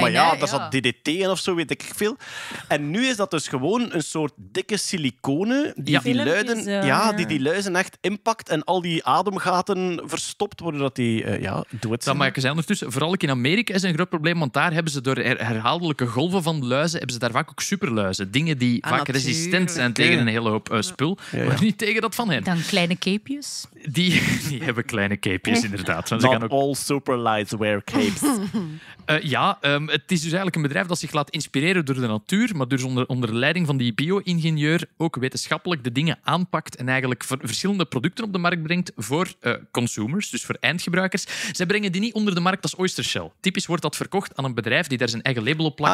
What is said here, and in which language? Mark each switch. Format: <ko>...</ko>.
<nl>Maar ja, daar zat DDT in of zo, weet ik veel. En nu is dat dus gewoon een soort dikke siliconen die luizen echt impact en al die ademgaten verstopt worden dat die doet. Dat maken ze ondertussen. Vooral in Amerika is een groot probleem, want daar hebben ze door herhaaldelijke golven van luizen, hebben ze daar vaak ook superluizen. Dingen die vaak resistent zijn tegen een hele hoop spul, maar niet tegen dat van hen. Dan kleine capejes. Die hebben kleine capejes, inderdaad. Want ze gaan ook...</nl> <en>all superlights wear capes.</en> <nl>Het is dus eigenlijk een bedrijf dat zich laat inspireren door de natuur, maar dus onder leiding van die bio-ingenieur ook wetenschappelijk de dingen aanpakt en eigenlijk verschillende producten op de markt brengt voor consumers, dus voor eindgebruikers. Zij brengen die niet onder de markt als Oyster Shell. Typisch wordt dat verkocht aan een bedrijf die daar zijn eigen label op plakt.</nl>